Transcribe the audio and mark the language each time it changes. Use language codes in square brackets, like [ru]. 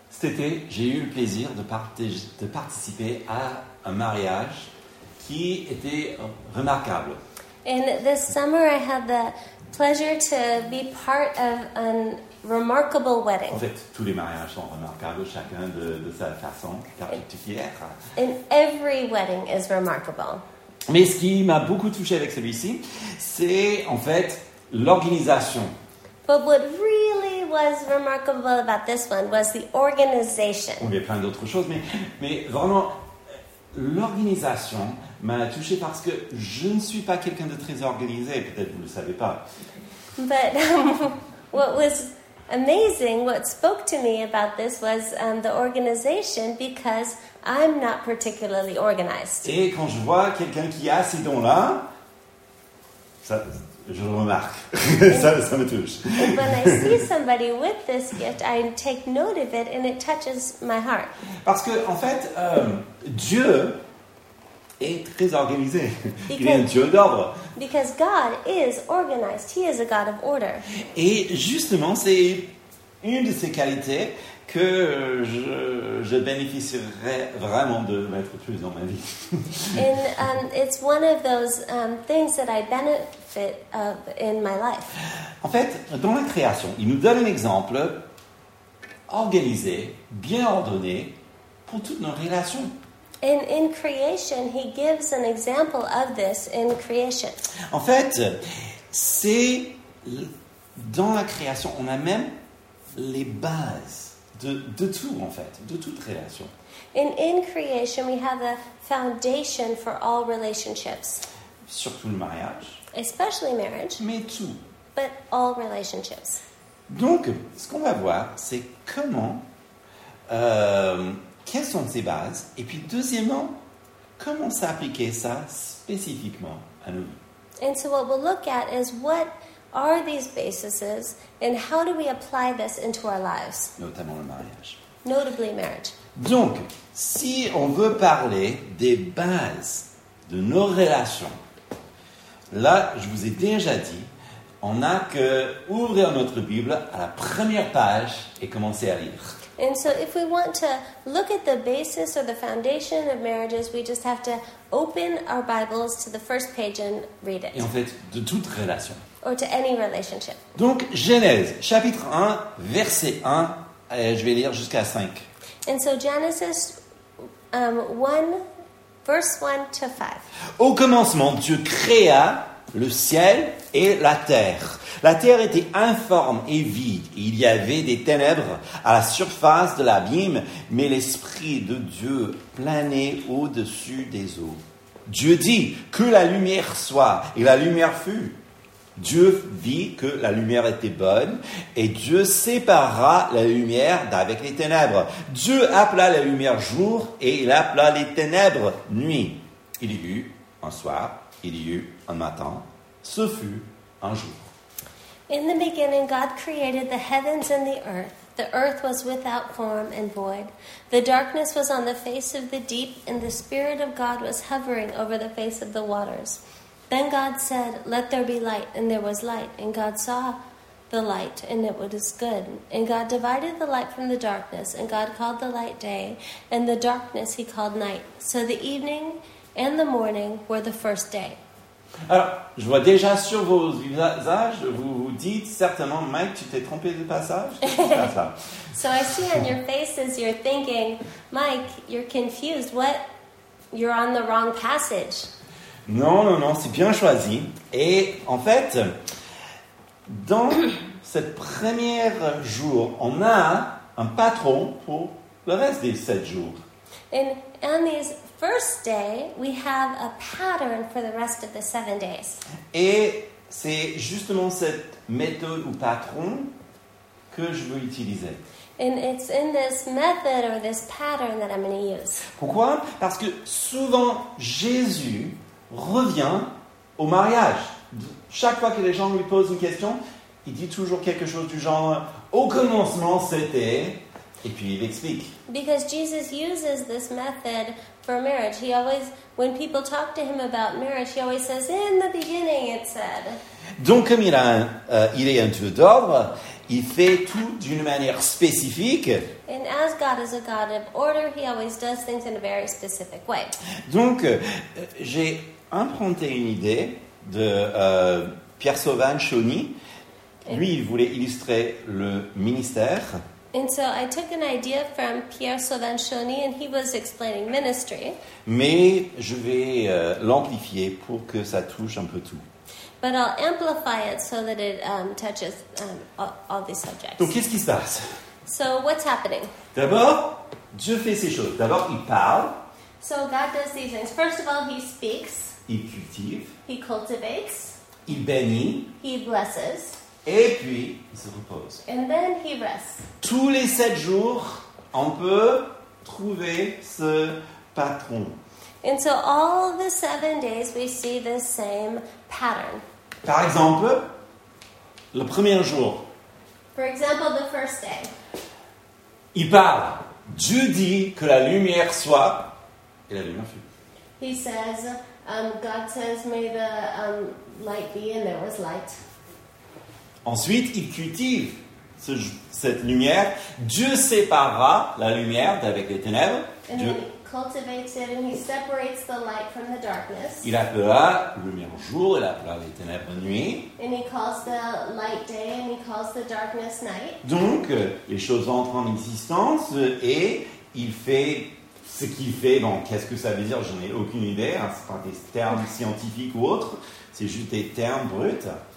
[fr] Cet été, j'ai eu le plaisir de participer à un mariage qui était remarquable. [en] And this summer, I had the pleasure to be part of a remarkable wedding. [fr] En fait, tous les mariages sont remarquables, chacun de sa façon particulière. [en] And every wedding is remarkable. [fr] Mais ce qui m'a beaucoup touché avec celui-ci, c'est en fait l'organisation. [en] But what really was remarkable about this one was the organization. [fr] Il y a plein d'autres choses, mais vraiment, l'organisation m'a touché parce que je ne suis pas quelqu'un de très organisé, peut-être vous ne le savez pas. [en] But what was amazing, what spoke to me about this was the organization, because I'm not particularly organized. [fr] Et quand je vois quelqu'un qui a ces dons-là, ça... Je le remarque. ça me touche. [en] When I see somebody with this gift, I take note of it and it touches my heart. [fr] Parce que, en fait, Dieu est très organisé. [en] Because, [fr] il est un Dieu d'ordre. [en] Because God is organized. He is a God of order. [fr] Et justement, c'est une de ses qualités que je bénéficierais vraiment de mettre plus dans ma vie. [en] And it's one of those things that I benefit of in my life. [fr] En fait, dans la création, il nous donne un exemple organisé, bien ordonné pour toutes nos relations. [en] And in creation, he gives an example of this in creation. [fr] En fait, c'est dans la création, on a même les bases. De tout, en fait, de toute relation. [en] In creation, we have a foundation for all relationships. [fr] Surtout le mariage. [en] Especially marriage. [fr] Mais tout. [en] But all relationships. [fr] Donc, ce qu'on va voir, c'est comment, quelles sont ces bases, et puis deuxièmement, comment s'appliquer ça spécifiquement à nous. [en] And so what we'll look at is what are these bases, and how do we apply this into our lives? [fr] Notamment le mariage. [en] Notably marriage. [fr] Donc, si on veut parler des bases de nos relations, là, je vous ai déjà dit, on n'a qu'à ouvrir notre Bible à la première page et commencer à lire. [en] And so if we want to look at the basis or the foundation of marriages, we just have to open our Bibles to the first page and read it. [fr] Et en fait, de toute relation. [en] Or to any relationship. [fr] Donc, Genèse, chapitre 1, verset 1, je vais lire jusqu'à 5. [en] And so Genesis 1, verse 1 to 5. [fr] Au commencement, Dieu créa le ciel et la terre. La terre était informe et vide. Il y avait des ténèbres à la surface de l'abîme, mais l'Esprit de Dieu planait au-dessus des eaux. Dieu dit, « Que la lumière soit, et la lumière fut. » Dieu vit que la lumière était bonne, et Dieu sépara la lumière d'avec les ténèbres. Dieu appela la lumière jour, et il appela les ténèbres nuit. Il y eut un soir, il y eut un matin, ce fut un jour. [en] In the beginning, God created the heavens and the earth. The earth was without form and void. The darkness was on the face of the deep, and the Spirit of God was hovering over the face of the waters. Then God said, let there be light, and there was light. And God saw the light, and it was good. And God divided the light from the darkness, and God called the light day, and the darkness he called night. So the evening and the morning were the first day. [fr] Alors, je vois déjà sur vos visages, vous dites certainement, Mike, tu t'es trompé de passage. [en] So I see on your faces, you're thinking, Mike, you're confused. What? You're on the wrong passage. [fr] Non, non, non, c'est bien choisi. Et en fait, dans cette première jour, on a un patron pour le reste des sept jours. [en] And on this first day, we have a pattern for the rest of the 7 days. [fr] Et c'est justement cette méthode ou patron que je veux utiliser. [en] And it's in this method or this pattern that I'm going to use. [fr] Pourquoi? Parce que souvent, Jésus revient au mariage. Chaque fois que les gens lui posent une question, il dit toujours quelque chose du genre « Au commencement, c'était... » Et puis, il explique. [en] Because Jesus uses this method for marriage. He always, when people talk to him about marriage, he always says, in the beginning, it said. [fr] Donc, comme il est un Dieu d'ordre, Il fait tout d'une manière spécifique. [en] And as God is a God of order, he always does things in a very specific way. [fr] Donc, j'ai emprunté une idée de Pierre Sauvage Chauny. Lui, il voulait illustrer le ministère. [en] And so I took an idea from Pierre Sauvage Chauny, and he was explaining ministry. [fr] Mais je vais l'amplifier pour que ça touche un peu tout. [en] But I'll amplify it so that it touches all these subjects. [fr] Donc, qu'est-ce qui se passe? [en] So, what's happening? [fr] D'abord, Dieu fait ces choses. D'abord, il parle. [en] So, God does these things. First of all, he speaks. [fr] Il cultive. [en] He cultivates. [fr] Il bénit. [en] He blesses. [fr] Et puis, il se repose. [en] And then, he rests. [fr] Tous les sept jours, on peut trouver ce patron. [en] And so, all the 7 days, we see the same pattern. [fr] Par exemple, le premier jour. [en] For example, the first day. [fr] Il parle. Dieu dit que la lumière soit. Et la lumière fut. [en] He says, God says, may the light be, and there was light. [fr] Ensuite, il cultive cette lumière. Dieu séparera la lumière d'avec les ténèbres. [en] And [fr] Dieu [en] cultivates it, and he separates the light from the darkness. [fr] Il appela lumière jour, il appela les ténèbres nuit. [en] And he calls the light day, and he calls the darkness night. [fr] Donc, les choses entrent en existence, et il fait ce qu'il fait. Bon, qu'est-ce que ça veut dire? Je n'en ai aucune idée. Hein. Ce n'est pas des termes scientifiques ou autres. C'est juste des termes bruts.